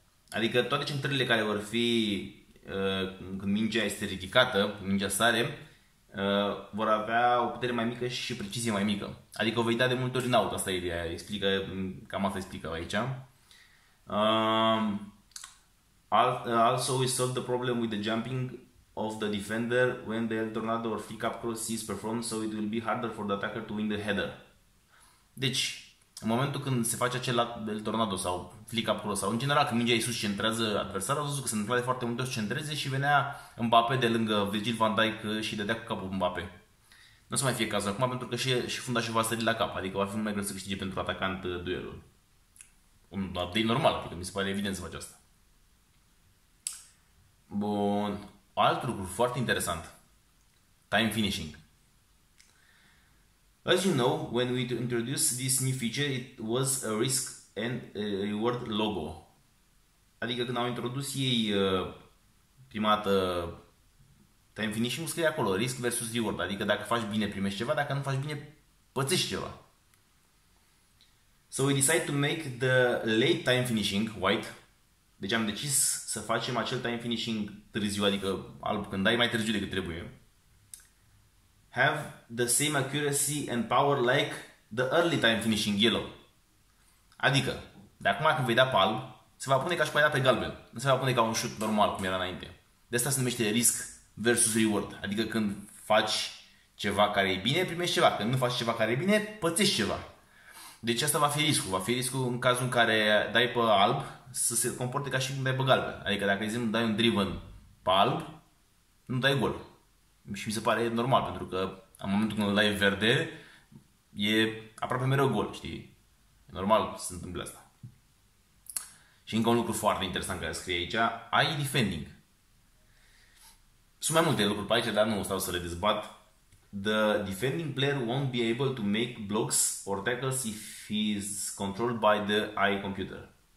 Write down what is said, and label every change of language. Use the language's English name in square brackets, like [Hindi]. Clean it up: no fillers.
[Romanian] Adică toate centrările care vor fi când mingea este ridicată, mingea sare, vor avea o putere mai mică și precizie mai mică. Adică o vei da de multe ori în out, asta e ideea, cam asta explică aici. [English] Also, we solved the problem with the jumping of the defender when the El Tornado or flick up cross is performed, so it will be harder for the attacker to win the header. [Romanian] Deci, în momentul când se face acel El Tornado sau flick up cross, sau în general când mingea e sus și centrează adversarul, a văzut că se întâmplă de foarte multe ori să centreze și venea Mbappe de lângă Virgil van Dijk și dădea cu capul Mbappe. Nu o să mai fie cazul acum, pentru că și fundașul va sări la cap, adică va fi mai greu să câștige pentru atacant duelul. Un update normal, adică mi se pare evident să face asta. Bun, alt lucru foarte interesant. Time finishing. [English] As you know, when we introduced this new feature, it was a risk and a reward logo. [Romanian] Adică când au introdus ei prima dată time finishing, scrie acolo [English] risk versus reward. [Romanian] Adică dacă faci bine, primești ceva, dacă nu faci bine, pățești ceva. [English] So we decide to make the late time finishing white. [Romanian] Deci am decis să facem acel time finishing târziu, adică alb, când dai mai târziu decât trebuie. [English] Have the same accuracy and power like the early time finishing yellow. [Romanian] Adică, de acum când vei da pe alb, se va pune ca și cum ai dat pe galben. Nu se va pune ca un șut normal cum era înainte. De asta se numește [English] risk versus reward. [Romanian] Adică când faci ceva care e bine, primești ceva. Când nu faci ceva care e bine, pățești ceva. Deci asta va fi riscul. Va fi riscul în cazul în care dai pe alb să se comporte ca și cum dai pe galben. Adică dacă, de exemplu, dai un driven pe alb, nu dai gol. Și mi se pare normal, pentru că în momentul când îl dai verde, e aproape mereu gol, știi? E normal să se întâmple asta. Și încă un lucru foarte interesant care scrie aici, ai defending. Sunt mai multe lucruri pe aici, dar nu o stau să le dezbat. [English] The defending player won't be able to make blocks or tackles if he's controlled by the AI computer.